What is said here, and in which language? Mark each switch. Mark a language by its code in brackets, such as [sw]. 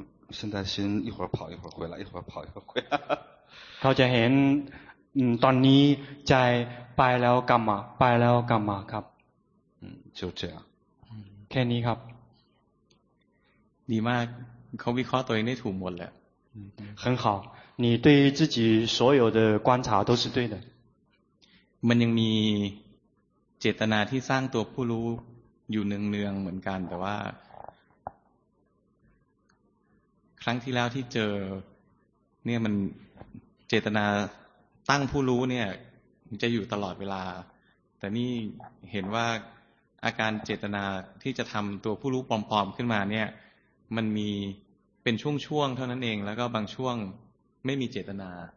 [zh] 现在心一会儿跑一会儿回来一会儿跑一会儿回来 [th] เขาจะเห็นตอนนี้ใจไปแล้วกลับมาไปแล้วกลับมาครับ [zh] 就这样 [th] แค่นี้ครับ ดีมากเขาวิเคราะห์ตัวเองได้ถูกหมดแล้ว [zh] 很好你对自己所有的观察都是对的 [th] มันยังมีเจตนาที่สร้างตัวผู้รู้อยู่เนืองๆเหมือนกันแต่ว่าครั้งที่แล้วที่เจอเนี่ยมันเจตนาตั้งผู้รู้เนี่ยจะอยู่ตลอดเวลาแต่นี่เห็นว่าอาการเจตนาที่จะทำตัวผู้รู้ปลอมๆขึ้นมาเนี่ยมันมีเป็นช่วงๆเท่านั้นเองแล้วก็บางช่วงไม่มีเจตนา